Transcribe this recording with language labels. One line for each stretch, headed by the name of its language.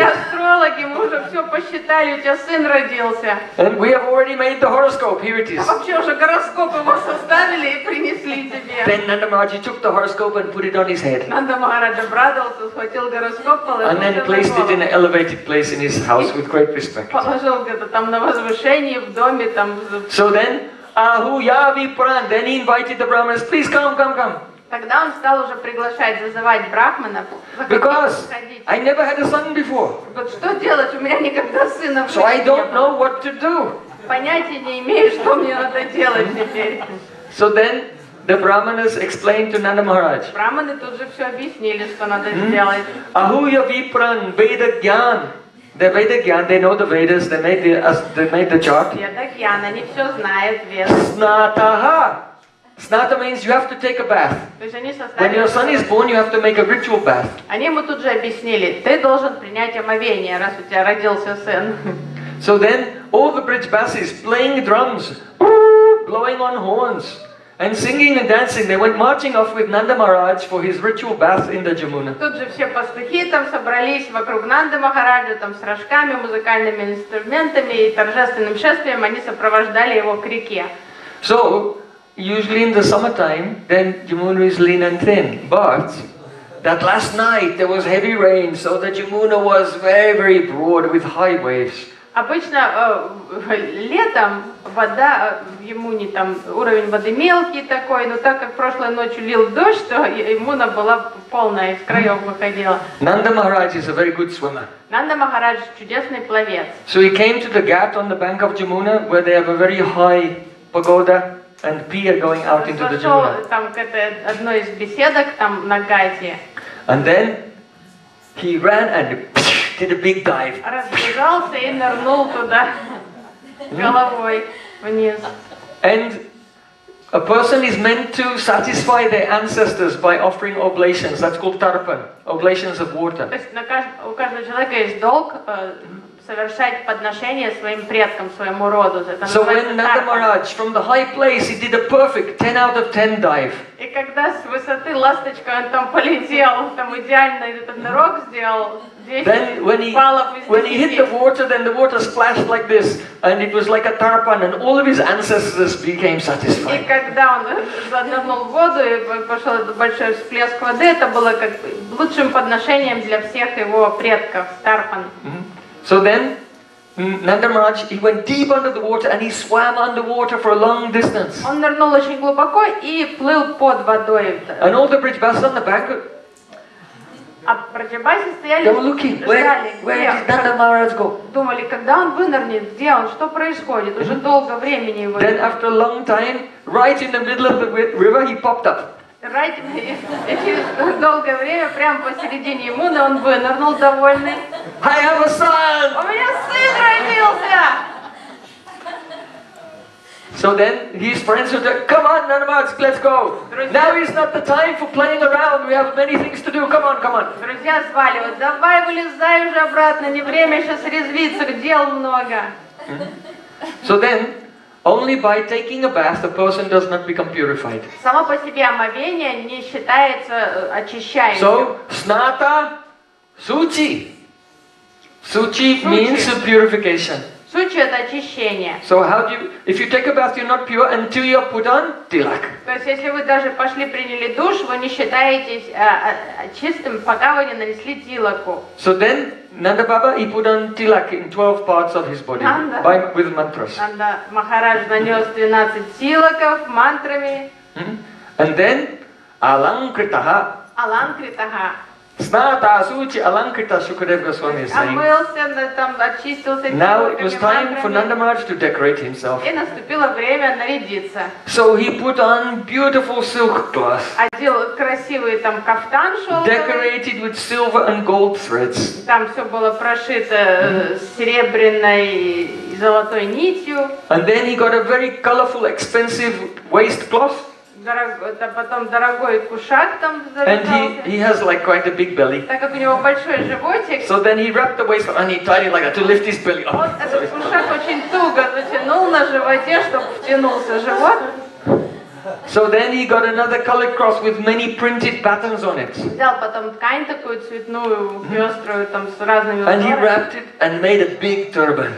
Russian: Мы астрологи, мы уже все посчитали. У тебя сын родился.
English: And we have already made the horoscope. Here it is.
Russian: А вообще уже гороскоп его составили и принесли тебе.
English: Then Nanda Maharaj took the horoscope and put it on his head.
Russian: Nanda Maharaj обрадовался, схватил гороскоп, положил
English: And then placed it in an elevated place in his house with great respect.
Russian: Положил где-то там на возвышении в доме там.
English: So then.
Sanskrit: Ahuyavi Pran,
English: then he invited the Brahmanas, please come, come, come.
Russian: Тогда он стал уже приглашать, зазывать брахманов.
English: Because I never had a son before.
Russian: Вот что делать, у меня никогда сына
English: So I don't know what to do.
Russian: Понятия не имею, что мне надо делать теперь.
English: So then The Brahmanas explained to Nanda Maharaj.
Russian: Brahmani тут же все объяснили, что надо сделать.
Sanskrit: Ahuya vipran, Veda gyan.
English: They made the gyan. They know the Vedas. They made the chart. Veda
Sanskrit: gyan.
Russian: Они все знают Веды.
Sanskrit: Snataha.
English: Snata means you have to take a bath. When your son is born, you have to make a ritual bath.
Russian: Они ему тут же объяснили. Ты должен принять омовение, раз у тебя родился сын.
English: So then, all the bridge basses playing drums, blowing on horns. And singing and dancing, they went marching off with Nanda Maharaj for his ritual bath in the Jamuna.
Russian: Тут же все пастухи там собрались вокруг Нанды Махараджа там с рожками, музыкальными инструментами и торжественным шествием они сопровождали его к реке.
English: So, usually in the summertime, then Jamuna is lean and thin. But that last night there was heavy rain, so the Jamuna was very, very broad with high waves.
Russian: Обычно летом вода в Ямуне, там уровень воды мелкий такой, но так как прошлой ночью лил дождь, то Ямуна была полная, из краев выходила.
English: Nanda Maharaj is a very good swimmer.
Russian: Nanda Maharaj чудесный пловец.
English: So he came to the ghat on the bank of Jamuna, where they have a very high pagoda and pier going out into the Jamuna.
Russian: Зашел там к этой одной из беседок там на гате.
English: And then he ran and did a big dive.
Russian: Разбежался и нырнул туда головой вниз.
English: And a person is meant to satisfy their ancestors by offering oblations. That's called tarpan, oblations of water.
Russian: То есть у каждого человека есть долг совершать подношение своим предкам, своему роду.
English: So when Nanda Maharaj from the high place, he did a perfect 10 out of 10 dive.
Russian: И когда с высоты ласточка он там полетел, там идеально этот нырок сделал.
English: Then when he hit the water, then the water splashed like this, and it was like a tarpan, and all of his ancestors became satisfied.
Russian: И когда он заднырнул в воду и пошел этот большой всплеск воды, это было как лучшим подношением для всех его предков тарпан.
English: So then, Nanda Maharaj, he went deep under the water and he swam under water for a long distance.
Russian: Он нырнул очень глубоко и плыл под водой.
English: And all the bridge bass on the bank.
Russian: А бриджбасы стояли, ждали,
English: where did Nanda Maharaj go?
Russian: Думали, когда он вынырнет, где он, что происходит, уже долго времени его.
English: Then after a long time, right in the middle of the river, he popped up.
Russian: Right, через долгое время, прямо посередине ему, но он вынырнул довольный.
English: I have a son!
Russian: У меня сын родился!
English: So then his friends were like, come on, Nanda Maharaj, let's go.
Russian: Друзья,
English: now is not the time for playing around. We have many things to do. Come on, come on.
Russian: Друзья звали, вот, давай вылезай уже обратно. Не время сейчас резвиться, дел много.
English: So then, only by taking a bath, a person does not become purified.
Russian: Само по себе омовение не считается очищающим.
English: So, snata, suci. Suci means purification.
Russian: Сучи — это очищение.
English: So how do you, if you take a bath, you're not pure until you're put on tilak.
Russian: То есть если вы даже пошли приняли душ, вы не считаетесь чистым, пока вы не нанесли тилаку.
English: So then Nanda Baba, he put on tilak in 12 parts of his body with mantras.
Russian: Nanda Maharaj нанес 12 тилаков мантрами.
English: And then alankritaha.
Sanskrit: Alankritaha. Snata Asuchi Alankrita
English: Shukadev Goswami is saying.
Russian: Омылся, но там очистился.
English: Now it was time for Nanda Maharaj to decorate himself.
Russian: И наступило время нарядиться.
English: So he put on beautiful silk cloth.
Russian: Одел красивый там кафтан шелковый.
English: Decorated with silver and gold threads.
Russian: Там все было прошито серебряной и золотой нитью.
English: And then he got a very colorful, expensive waist cloth.
Russian: Потом дорогой кушак там завязался.
English: And he has like quite a big belly.
Russian: Так как у него большой животик.
English: So then he wrapped the waist and he tied it like that to lift his belly.
Russian: Вот этот кушак очень туго затянул на животе, чтобы втянулся живот.
English: So then he got another colored cross with many printed patterns on it.
Russian: Взял потом ткань такую цветную, пёструю, там с разными узорами.
English: And he wrapped it and made a big turban.